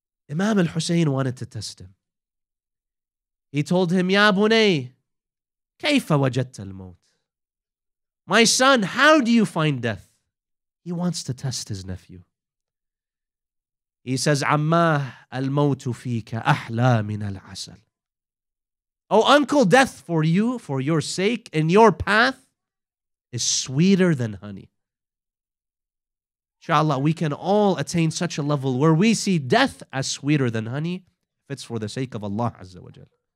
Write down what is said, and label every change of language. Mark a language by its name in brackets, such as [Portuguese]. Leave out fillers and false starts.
[English] Imam al-Husayn wanted to test him. He told him, [Arabic] Ya Bunay, كيف وجدت الموت? [English] My son, how do you find death? He wants to test his nephew. He says, [Arabic] عَمَّاهْ أَلْمَوْتُ فِيكَ أَحْلَى مِنَ الْعَسَلِ. [English] Oh, uncle, death for you, for your sake, in your path, is sweeter than honey. Inshallah, we can all attain such a level where we see death as sweeter than honey, if it's for the sake of Allah Azza wa Jal.